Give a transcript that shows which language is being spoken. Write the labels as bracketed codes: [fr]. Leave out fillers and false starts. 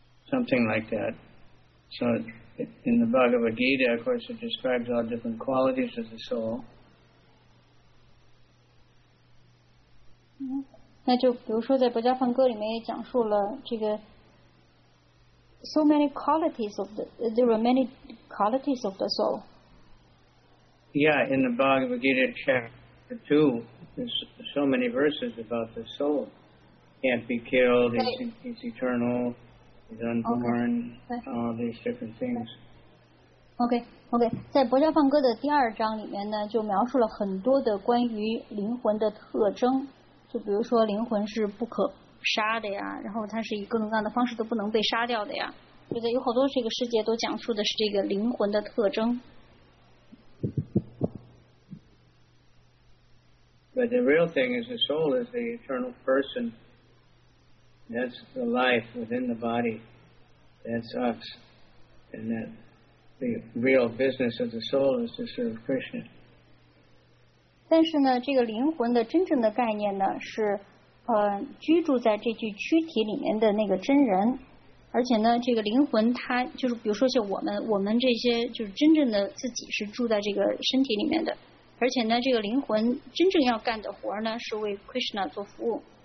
[en] Something like that. So in the Bhagavad Gita, of course, it describes all different qualities of the soul. [zh] 那就比如说在《薄伽梵歌》里面也讲述了这个。 [en] So many qualities of the, there are many qualities of the soul. Yeah, in the Bhagavad Gita chapter 2, there's so many verses about the soul. Can't be killed, it's eternal, it's unborn, all these different things. Okay. [zh] 在薄伽梵歌的第二章里面呢，就描述了很多的关于灵魂的特征，就比如说灵魂是不可杀的呀，然后它是以各种各样的方式都不能被杀掉的呀，觉得有好多这个世界都讲述的是这个灵魂的特征。 [en] But the real thing is the soul is the eternal person. That's the life within the body. That's us. And that the real business of the soul is to serve Krishna. [zh] 但是呢，这个灵魂的真正的概念呢是。居住在这具躯体里面的那个真人，而且呢，这个灵魂它就是，比如说像我们这些就是真正的自己是住在这个身体里面的，而且呢，这个灵魂真正要干的活呢，是为 Krishna 做服务。